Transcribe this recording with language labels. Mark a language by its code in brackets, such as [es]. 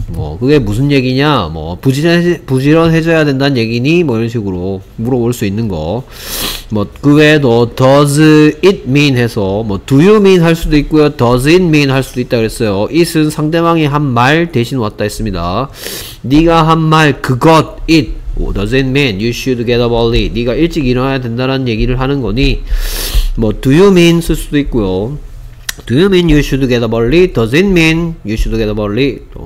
[ko] 뭐 그게 무슨 얘기냐? 뭐 부지런해져야 된다는 얘기니? 뭐 이런 식으로 물어볼 수 있는 거. 뭐그 외에도 [en] does it mean [ko] 해서 뭐 [en] do you mean [ko] 할 수도 있고요. [en] does it mean [ko] 할 수도 있다 그랬어요. it은 상대방이 한말 대신 왔다 했습니다. 네가 한말 그것 [en] it does it mean you should get up early. [ko] 네가 일찍 일어나야 된다는 얘기를 하는 거니? 뭐 [en] do you mean [ko] 쓸 수도 있고요. [en] Do you mean you should get up early? Does it mean you should get up early?